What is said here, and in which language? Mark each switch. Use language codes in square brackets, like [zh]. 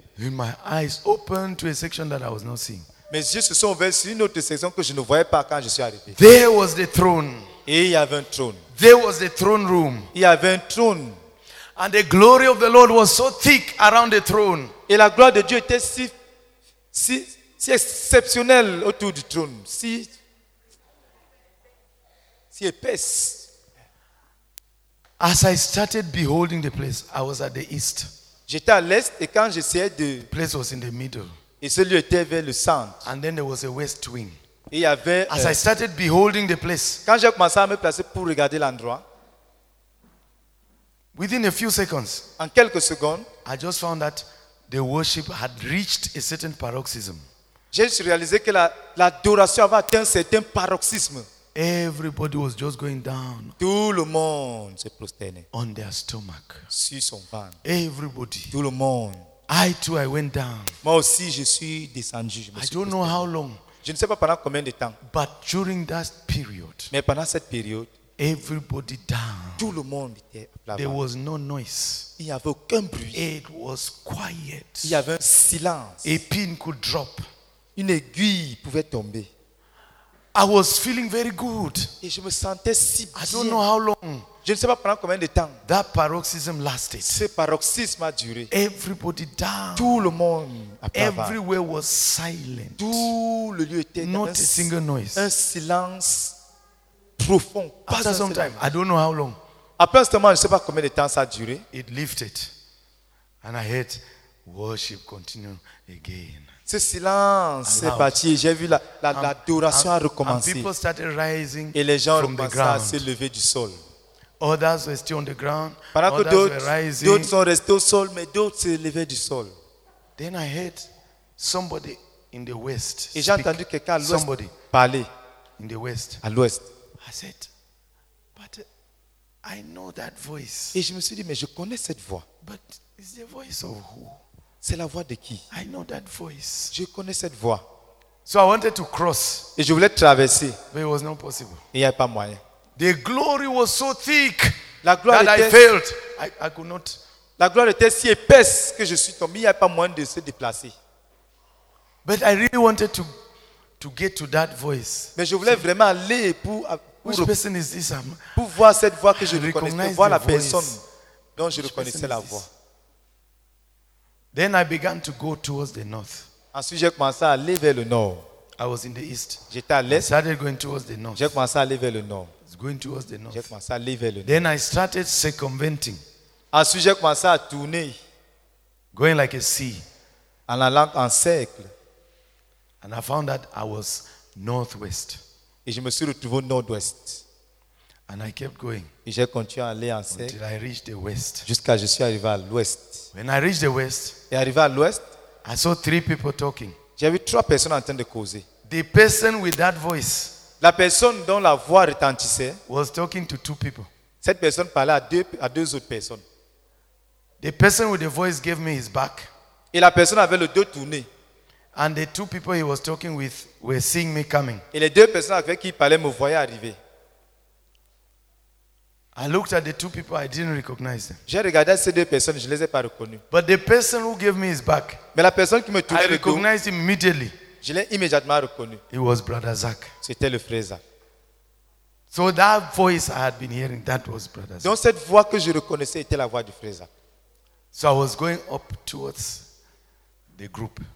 [en] And my eyes opened to a section that I was not seeing. [fr] Mes yeux se sont ouverts sur une autre section que je ne voyais pas quand je suis arrivé. [en] There was the throne. [fr] Et il y avait un trône. [en] There was the throne room. [fr] Il y avait un trône. [en] And the glory of the Lord was so thick around the throne. [fr] Et la gloire de Dieu était si exceptionnelle autour du trône, si épaisse. [en] As I started beholding the place, I was at the east. [fr] J'étais à l'est et quand j'essayais de. [en] The place was in the middle. [fr] Et ce lieu était vers le centre. [en] And then there was a west wing. [fr] Et il y avait. [en] As I started beholding the place. [fr] Quand j'ai commencé à me placer pour regarder l'endroit. [en] Within a few seconds. [fr] En quelques secondes. [en] I just found that the worship had reached a certain paroxysm. [fr] J'ai juste réalisé que l'adoration avait atteint un certain paroxysme. [en] Everybody was just going down. [fr] Tout le monde se prosternait. [en] On their stomach. [fr] Sur son ventre. [en] Everybody. [fr] Tout le monde. [en] I too, I went down. [fr] Moi aussi, je suis descendu. [en] I don't know how long. [fr] Je ne sais pas pendant combien de temps. [en] But during that period. [fr] Mais pendant cette période. [en] Everybody down. [fr] Tout le monde était là-bas. [en] There was no noise. [fr] Il n'y avait aucun bruit. [en] It was quiet. [fr] Il y avait un silence. [en] A pin could drop. [fr] Une aiguille pouvait tomber. [en] I was feeling very good. [fr] Et je me sentais si bien. [en] I don't know how long. [fr] Je ne sais pas pendant combien de temps. [en] That paroxysm lasted. [fr] Ce paroxysme a duré. [en] Everybody down. [fr] Tout le monde. [en] Everywhere was silent. [fr] Tout le lieu était. [en] Not a single noise. [fr] Un silence profond. [en] After some silence. Time, I don't know how long. [fr] Après un moment, je ne sais pas combien de temps ça a duré. [en] It lifted, and I heard worship continue again. [fr] Ce silence s'est parti. J'ai vu l'adoration a recommencé. [en] And people started rising. [fr] Et les gens [en] from the ground. [fr] Commencé à se lever du sol. [en] Others were still on the ground. [fr] Pendant [en] others [fr] que [en] were rising. [fr] D'autres sont restés au sol, mais d'autres se levaient du sol. [en] Then I heard somebody in the west. [fr] Et j'ai entendu quelqu'un à l'ouest [en] somebody [fr] parler. [en] In the west. [fr] À l'ouest. [en] I said, but I know that voice. [fr] Et je me suis dit, mais je connais cette voix. [en] But it's the voice of who? [fr] C'est la voix de qui? [en] I know that voice. [fr] Je connais cette voix. [en] So I wanted to cross. [fr] Et je voulais traverser. [en] But it was not possible. [fr] Il n'y avait pas moyen. [en] The glory was so thick [fr] la gloire [en] that [fr] était, [en] I failed. I could not. [fr] La gloire était si épaisse que je suis tombé. Il n'y avait pas moyen de se déplacer. [en] But I really wanted to get to that voice. [fr] Mais je voulais vraiment aller pour [en] which person is this? [fr] Pour voir cette voix que je reconnaissais, voir la personne dont je reconnaissais la voix. [en] Then I began to go towards the north. [fr] Ensuite, j'ai commencé à aller vers le nord. [en] I was in the east. [fr] J'étais à l'est. [en] I started going towards the north. [fr] J'ai commencé à aller vers le nord. [en] Going towards the north. [fr] J'ai commencé à aller vers le nord. [en] Then I started circumventing. [fr] Ensuite, j'ai commencé à tourner. [en] Going like a sea. [fr] En allant en cercle. [en] And I found that I was northwest. [fr] Et je me suis retrouvé au nord-ouest. [en] And I kept going. [fr] Et j'ai continué à aller en cercle. [en] Until I reached the west. [fr] Jusqu'à je suis arrivé à l'ouest. [en] When I reached the west. [fr] Et arrivé à l'ouest. [en] I saw three people talking. [fr] J'ai vu trois personnes en train de causer. [en] The person with that voice. [fr] La personne dont la voix retentissait. [en] Was talking to two people. [fr] Cette personne parlait à deux autres personnes. [en] The person with the voice gave me his back. [fr] Et la personne avait le dos tourné. [en] And the two people he was talking with were seeing me coming. [fr] Et les deux personnes avec qui il parlait me voyaient arriver. [en] I looked at the two people, I didn't recognize them. [fr] J'ai regardé ces deux personnes, je les ai pas reconnues. [en] But the person who gave me his back. [fr] Mais la personne qui me tournait le dos. [en] I recognized him immediately. [fr] Je l'ai immédiatement reconnu. [en] It was Brother Zach. [fr] C'était le frère Zach. [en] So that voice I had been hearing, that was Brother Zach. [fr] Donc cette voix que je reconnaissais était la voix du frère Zach. [en] So I was going up towards the group.